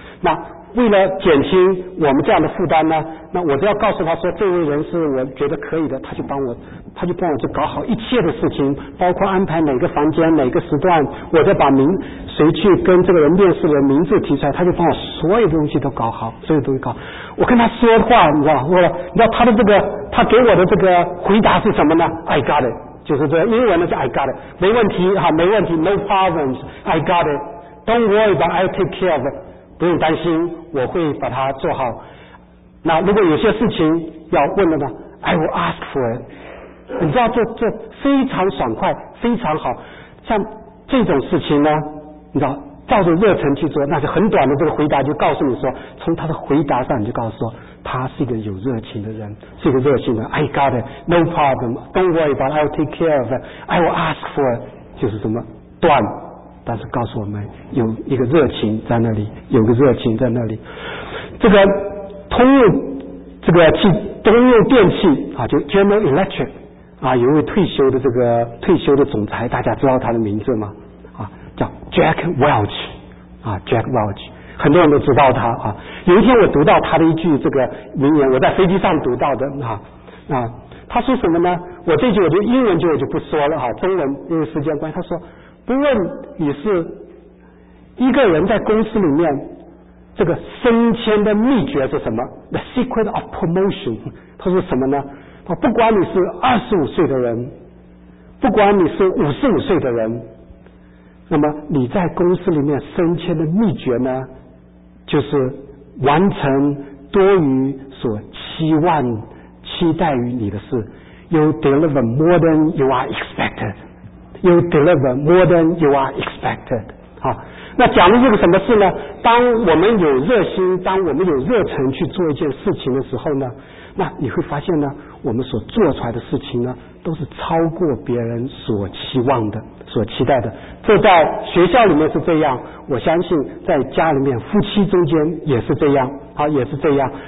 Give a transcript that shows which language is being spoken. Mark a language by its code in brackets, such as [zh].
[zh] 那为了减轻我们这样的负担呢，那我就要告诉他说，这位人是我觉得可以的，他就帮我就搞好一切的事情，包括安排哪个房间哪个时段，我再把名谁去跟这个人面试的名字提出来，他就帮我所有东西都搞好，所有东西搞。我跟他说话，你知道，我你知道他的这个，他给我的这个回答是什么呢 ？ [en] I got it。 [zh] 就是这英文呢是 [en] I got it， [zh] 没问题哈，没问题 [en] ，no problems， I got it， don't worry， but I take care of， it， [zh] 不用担心，我会把它做好。那如果有些事情要问的呢 ， [en] I will ask for it。 [zh] 你知道这非常爽快，非常好。像这种事情呢，你知道照着热忱去做，那是很短的这个回答就告诉你说，从他的回答上你就告诉说，他是一个有热情的人，是一个热心的人。 [en] I got it, no problem, don't worry about it, I'll take care of it, I will ask for it， [zh] 就是这么断，但是告诉我们有一个热情在那里，有个热情在那里。这个通用这个汽通用电器啊，就 General Electric 啊，有位退休的总裁，大家知道他的名字吗？啊，叫 Jack Welch， 啊 ，Jack Welch。很多人都知道他啊。有一天我读到他的一句这个名言，我在飞机上读到的啊啊，他说什么呢？我这句我就英文就我就不说了哈、啊，中文因为时间关系，他说，不论你是一个人在公司里面这个升迁的秘诀是什么 ？ [en] The secret of promotion， [zh] 他说什么呢？啊，不管你是25岁的人，不管你是55岁的人。那么你在公司里面升迁的秘诀呢，就是完成多于所期待于你的事。 [en] You deliver more than you are expected. You deliver more than you are expected. [zh] 好，那讲的是个什么事呢？当我们有热心，当我们有热忱去做一件事情的时候呢，那你会发现呢，我们所做出来的事情呢，都是超过别人所期望的所期待的。这在学校里面是这样，我相信在家里面夫妻中间也是这样啊，也是这样。